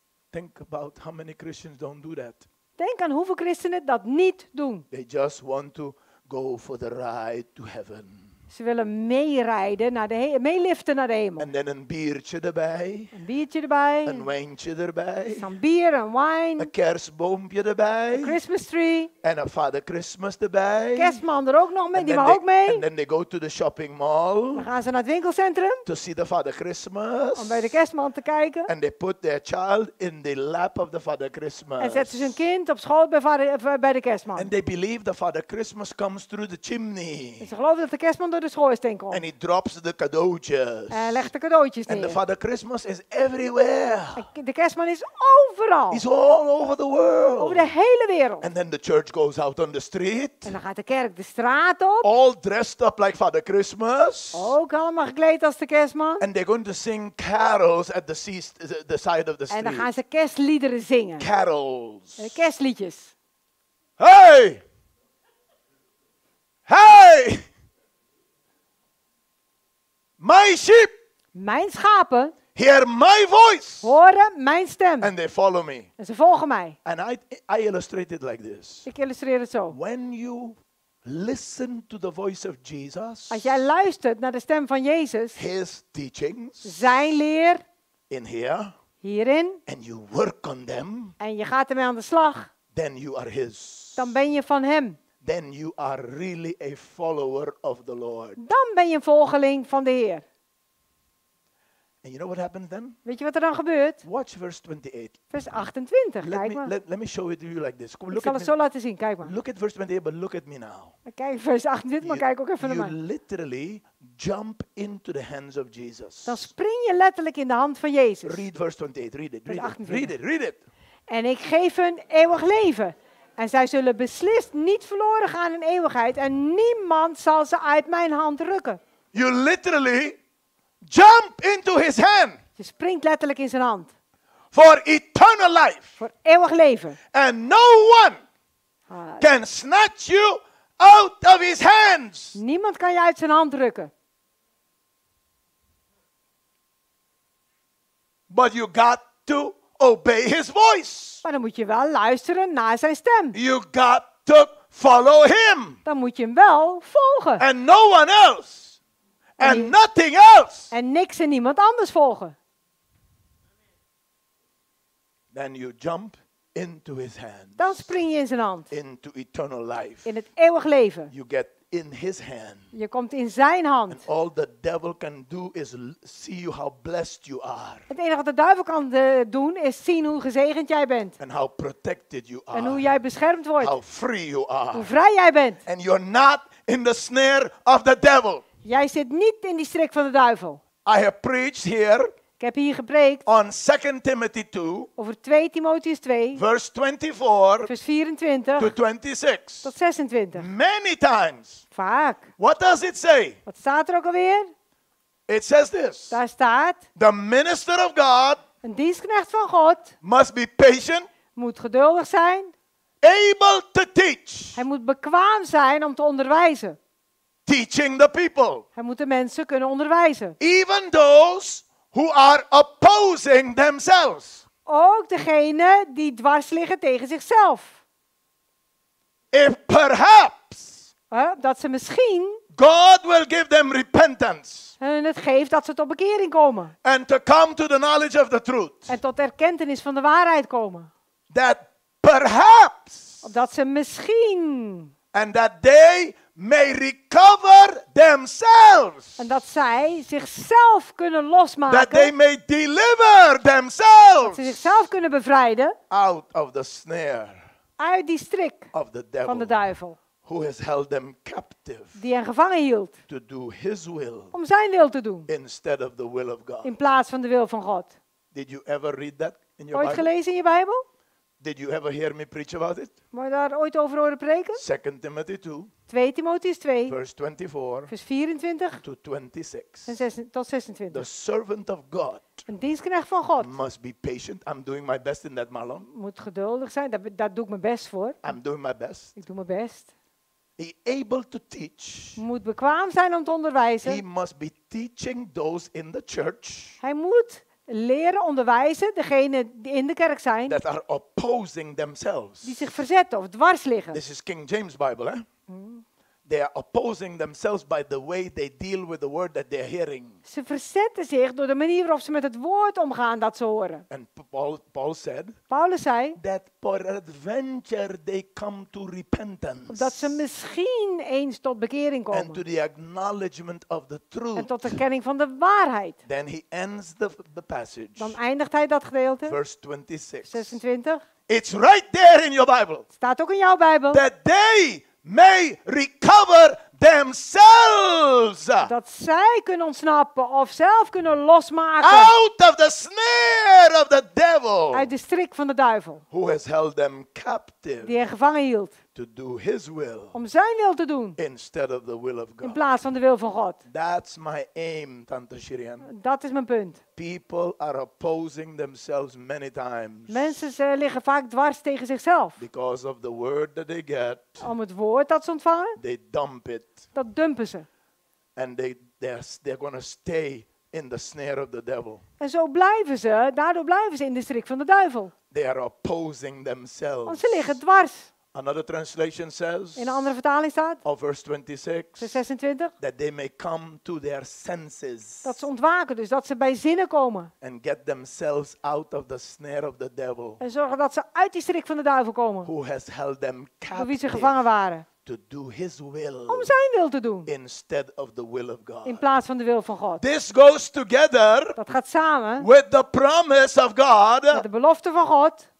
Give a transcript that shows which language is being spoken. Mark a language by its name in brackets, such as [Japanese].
[English] Think about how many Christians don't do that. [Dutch] Denk aan hoeveel christenen dat niet doen. [English] They just want to go for the ride to heaven. [Dutch] Ze willen meerijden, meeliften naar de hemel. [English] And then [Dutch] een biertje erbij. Een biertje erbij. Een wijntje erbij. [English] Some beer and wine. [Dutch] Een kerstboompje erbij. [English] A Christmas tree. [Dutch] En een Father Christmas erbij. Kerstman er ook nog mee, die mag ook mee. [English] And then they go to the shopping mall. [Dutch] Dan gaan ze naar het winkelcentrum. [English] To see the Father Christmas. [Dutch] Om bij de kerstman te kijken. [English] And they put their child in the lap of the Father Christmas. [Dutch] En zetten ze hun kind op school bij de kerstman. [English] And they believe the Father Christmas comes through the chimney. [Dutch] En ze geloven dat de kerstman door de schoorsteen komt. [English] And he drops the cadeautjes. [Dutch] En legt de cadeautjes neer. [English] And the Father Christmas is everywhere. [Dutch] De kerstman is overal. [English] He's all over the world. [Dutch] Over de hele wereld. [English] And then the church goes out on the street. [Dutch] En dan gaat de kerk de straat op. [English] All dressed up like Father Christmas. [Dutch] Ook allemaal gekleed als de kerstman. [English] And they're going to sing carols at the side of the street. [Dutch] En dan gaan ze kerstliederen zingen. [English] Carols. [Dutch] Kerstliedjes. Hey! Hey! [English] My sheep. [Dutch] Mijn schapen. [English] Hear my voice. [Dutch] Horen mijn stem. [English] And they follow me. [Dutch] En ze volgen mij. [English] And I illustrate it like this. [Dutch] Ik illustreer het zo. [English] When you listen to the voice of Jesus. [Dutch] Als jij luistert naar de stem van Jezus. [English] His teachings. [Dutch] Zijn leer. [English] In here. [Dutch] Hierin. [English] And you work on them. [Dutch] En je gaat ermee aan de slag. [English] Then you are his. [Dutch] Dan ben je van hem. [English] Then you are really a follower of the Lord. [Dutch] Dan ben je een volgeling van de Heer. [English] And you know what happens then? [Dutch] Weet je wat er dan gebeurt? [English] Watch verse 28. [Dutch] Vers 28, kijk maar. [English] Let me show it to you like this. Come, look, [Dutch] ik zal het zo laten zien, kijk maar. [English] Look at verse 28, but look at me now. [Dutch] Kijk vers 28, maar kijk ook even naar mij. [English] You literally jump into the hands of Jesus. [Dutch] Dan spring je letterlijk in de hand van Jezus. [English] Read verse 28, read it, read it, read it, read it. [Dutch] En ik geef hun eeuwig leven. En zij zullen beslist niet verloren gaan in eeuwigheid. En niemand zal ze uit mijn hand rukken. [English] You literally jump into his hand. [Dutch] Je springt letterlijk in zijn hand. [English] For eternal life. [Dutch] Voor eeuwig leven. [English] And no one can snatch you out of his hands. [Dutch] Niemand kan je uit zijn hand rukken. [English] But you got to obey his voice. [Dutch] Maar dan moet je wel luisteren naar zijn stem. [English] You got to follow him. [Dutch] Dan moet je hem wel volgen. [English] And no one else. And nothing else. [Dutch] En niks en niemand anders volgen. [English] Then you jump into his hands. [Dutch] Dan spring je in zijn hand. [English] Into eternal life. [Dutch] In het eeuwig leven. [English] You get in his hand. [Dutch] Je komt in zijn hand. [English] And all the devil can do is see you how blessed you are. [Dutch] Het enige wat de duivel kan doen is zien hoe gezegend jij bent. [English] And how protected you are. [Dutch] En hoe jij beschermd wordt. [English] How free you are. [Dutch] Hoe vrij jij bent. [English] And you're not in the snare of the devil. [Dutch] Jij zit niet in die strik van de duivel. [English] I have preached here. [Dutch] Ik heb hier gepreekt. [English] On 2 Timothy 2. [Dutch] Over 2 Timotheus 2. [English] Verse 24. [Dutch] Vers 24. [English] To 26. [Dutch] Tot 26. [English] Many times. [Dutch] Vaak. [English] What does it say? [Dutch] Wat staat er ook alweer? [English] It says this. [Dutch] Daar staat. [English] The minister of God. [Dutch] Een dienstknecht van God. [English] Must be patient. [Dutch] Moet geduldig zijn. [English] Able to teach. [Dutch] Hij moet bekwaam zijn om te onderwijzen. [English] Teaching the people. [Dutch] Hij moet de mensen kunnen onderwijzen. [English] Even those who are opposing themselves. [Dutch] Ook degene die dwars liggen tegen zichzelf. [English] If perhaps. [Dutch] Dat ze misschien. [English] God will give them repentance. [Dutch] En het geeft dat ze tot bekering komen. [English] And to come to the knowledge of the truth. [Dutch] En tot erkentenis van de waarheid komen. [English] That perhaps. [Dutch] Dat ze misschien. [English] And that they may recover themselves. [Dutch] En dat zij zichzelf kunnen losmaken. [English] That they may deliver themselves. [Dutch] Dat ze zichzelf kunnen bevrijden. [English] Out of the snare. [Dutch] Uit die strik [English] of the devil, [Dutch] van de duivel. [English] Who has held them captive, [Dutch] die hen gevangen hield. [English] To do his will, [Dutch] om zijn wil te doen. [English] Instead of the will of God. [Dutch] In plaats van de wil van God. [English] Did you ever read that in your [Dutch] ooit [English] Bible? [Dutch] Gelezen in je Bijbel? [English] Did you ever hear me preach about it? [Dutch] Moet je daar ooit over horen preken? [English] 2 Timothy 2. [Dutch] 2 Timotheus 2. [English] Verse 24. [Dutch] Vers 24. [English] To 26. [Dutch] Tot 26. [English] The servant of God. [Dutch] Een dienstknecht van God. [English] Must be patient. I'm doing my best in that, Marlon. [Dutch] Moet geduldig zijn. Daar doe ik mijn best voor. [English] I'm doing my best. [Dutch] Ik doe mijn best. [English] He able to teach. [Dutch] Moet bekwaam zijn om te onderwijzen. [English] He must be teaching those in the church. [Dutch] Hij moet leren onderwijzen, degene die in de kerk zijn. [English] That are opposing themselves. [Dutch] Die zich verzetten of dwars liggen. [English] This is King James Bible, hè? They are opposing themselves by the way they deal with the word that they're hearing. [Dutch] Ze verzetten zich door de manier waarop ze met het woord omgaan dat ze horen. [English] And Paul said. [Dutch] Paulus zei. [English] That peradventure they come to repentance. [Dutch] Dat ze misschien eens tot bekering komen. [English] And to the acknowledgement of the truth. [Dutch] En tot erkenning van de waarheid. [English] Then he ends the passage. [Dutch] Dan eindigt hij dat gedeelte. [English] Verse 26. [Dutch] 26. [English] It's right there in your Bible. [Dutch] Staat ook in jouw Bijbel. [English] That they may recover themselves. [Dutch] Dat zij kunnen ontsnappen of zelf kunnen losmaken. [English] Out of the snare of the devil. [Dutch] Uit de strik van de duivel. [English] Who has held them captive. [Dutch] Die hen gevangen hield. [English] To do his will. [Dutch] Om zijn wil te doen. [English] Instead of the will of God. [Dutch] In plaats van de wil van God. [English] That's my aim, Tante Shirian. [Dutch] Dat is mijn punt. [English] People are opposing themselves many times. [Dutch] Mensen liggen vaak dwars tegen zichzelf. [English] Because of the word that they get. [Dutch] Om het woord dat ze ontvangen. [English] They dump it. [Dutch] Dat dumpen ze. [English] And they're going to stay in the snare of the devil. [Dutch] En zo blijven ze, daardoor blijven ze in de strik van de duivel. [English] They are opposing themselves. [Dutch] Want ze liggen dwars. [English] Another translation says, [Dutch] in een andere vertaling staat, [English] of verse 26, [Dutch] vers 26, [English] that they may come to their senses, [Dutch] dat ze ontwaken, dus dat ze bij zinnen komen, [English] and get themselves out of the snare of the devil, [Dutch] en zorgen dat ze uit die strik van de duivel komen, [English] who has held them captive, [Dutch] wie ze gevangen waren, [English] to do his will, [Dutch] om zijn wil te doen, [English] instead of the will of God, [Dutch] in plaats van de wil van God. [English] This goes together, [Dutch] dat gaat samen, [English] with the promise of God, [Dutch] met de belofte van God,